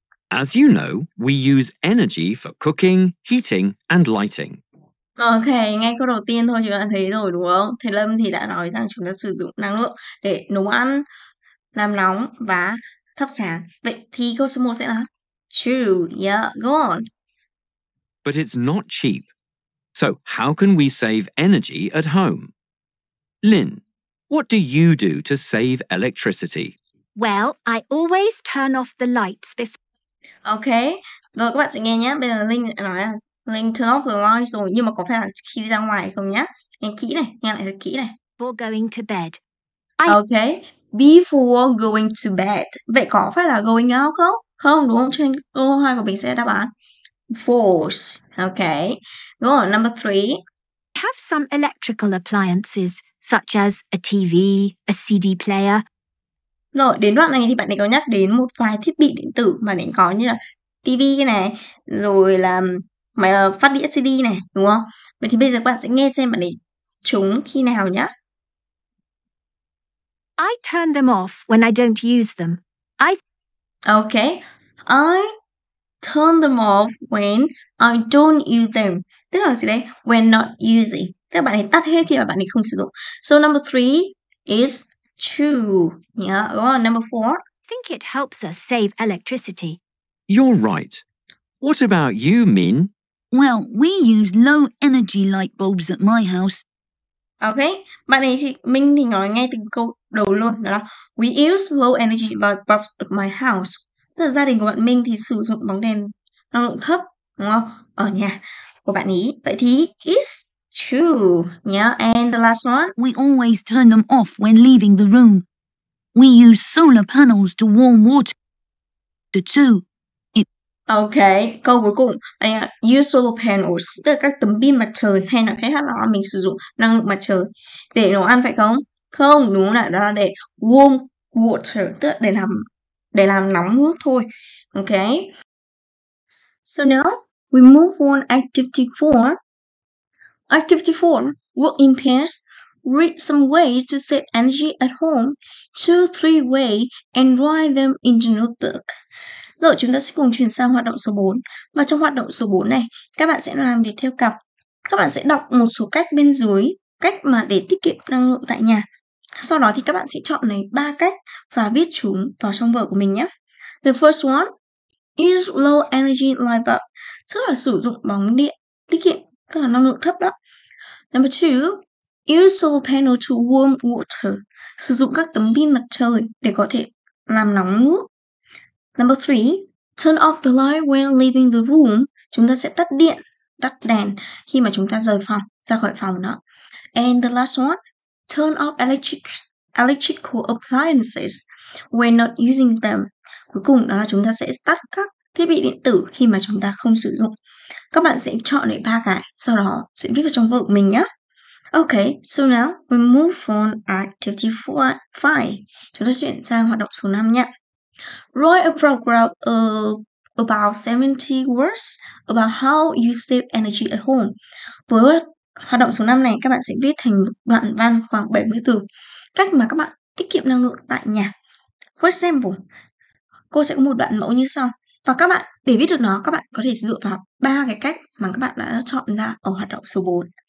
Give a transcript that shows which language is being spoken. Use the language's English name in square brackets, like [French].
[English] As you know, we use energy for cooking, heating and lighting. [Vietnamese] Ok, ngay câu đầu tiên thôi chúng ta thấy rồi đúng không? Thầy Lâm thì đã nói rằng chúng ta sử dụng năng lượng để nấu ăn, làm nóng và thắp sáng. Vậy thì câu số 1 sẽ là true. [English] Yeah, go on. But it's not cheap. So how can we save energy at home? Lynn, what do you do to save electricity? Well, I always turn off the lights before. [Vietnamese] Ok, rồi các bạn sẽ nghe nhé. Bây giờ Linh nói là Linh [English] turn off the lights [Vietnamese] rồi. Nhưng mà có phải là khi ra ngoài không nhé? Nghe kỹ này, nghe lại thật kỹ này. [English] Before going to bed. Ok, before going to bed. [Vietnamese] Vậy có phải là going out không? Không, đúng không? Cho nên câu 2 của mình sẽ đáp án false. [English] Ok, go on, number 3. I have some electrical appliances, such as a TV, a CD player. [Vietnamese] Rồi, đến đoạn này thì bạn ấy có nhắc đến một vài thiết bị điện tử mà bạn ấy có như là TV này, rồi là mà phát đĩa CD này, đúng không? Vậy thì bây giờ các bạn sẽ nghe xem bạn ấy trúng khi nào nhá. [English] I turn them off when I don't use them. Okay. I turn them off when I don't use them. [Vietnamese] Tức là gì đấy? [English] When not using. [Vietnamese] Tức là bạn ấy tắt hết khi là bạn ấy không sử dụng. [English] So number three is true. [Vietnamese] Nhá. [English] Yeah. Number four. I think it helps us save electricity. You're right. What about you, Min? Well, we use low energy light bulbs at my house. [Vietnamese] Okay, bạn ấy thì Minh thì nói ngay từ câu đầu luôn đó là [English] we use low energy light bulbs at my house. [Vietnamese] Tức là gia đình của bạn Minh thì sử dụng bóng đèn năng lượng thấp, đúng không? Ở nhà của bạn ý. Vậy thì [English] it's true, [Vietnamese] nhá. [English] Yeah. And the last one. We always turn them off when leaving the room. We use solar panels to warm water. The two. [Vietnamese] Okay, câu cuối cùng, use solar panels, tức là các tấm pin mặt trời, hay nói cách khác là mình sử dụng năng lượng mặt trời để nấu ăn phải không? Không, đúng là đó là để [English] warm water, [Vietnamese] tức là để làm nóng nước thôi. [English] Okay. So now we move on activity 4. Activity 4, work in pairs, read some ways to save energy at home, 2-3 ways, and write them in the notebook. [Vietnamese] Rồi chúng ta sẽ cùng chuyển sang hoạt động số 4. Và trong hoạt động số 4 này, các bạn sẽ làm việc theo cặp. Các bạn sẽ đọc một số cách bên dưới, cách mà để tiết kiệm năng lượng tại nhà. Sau đó thì các bạn sẽ chọn lấy 3 cách và viết chúng vào trong vở của mình nhé. [English] The first one, use low energy light bulb. [Vietnamese] Tức là sử dụng bóng điện, tiết kiệm, tức là năng lượng thấp đó. [English] Number 2, use solar panel to warm water. [Vietnamese] Sử dụng các tấm pin mặt trời để có thể làm nóng nước. [English] Number 3, turn off the light when leaving the room. [Vietnamese] Chúng ta sẽ tắt điện, tắt đèn khi mà chúng ta rời phòng, ra khỏi phòng đó. [English] And the last one, turn off electrical appliances when not using them. [Vietnamese] Cuối cùng đó là chúng ta sẽ tắt các thiết bị điện tử khi mà chúng ta không sử dụng. Các bạn sẽ chọn lại 3 cái, sau đó sẽ viết vào trong vở của mình nhé. [English] Okay, so now we move on activity 5. [Vietnamese] Chúng ta chuyển sang hoạt động số 5 nhé. [English] Write a program about 70 words about how you save energy at home. [Vietnamese] Với hoạt động số 5 này, các bạn sẽ viết thành đoạn văn khoảng 70 từ cách mà các bạn tiết kiệm năng lượng tại nhà. [English] For example, [Vietnamese] cô sẽ có một đoạn mẫu như sau. Và các bạn, để viết được nó, các bạn có thể sử dụng vào 3 cái cách mà các bạn đã chọn ra ở hoạt động số 4.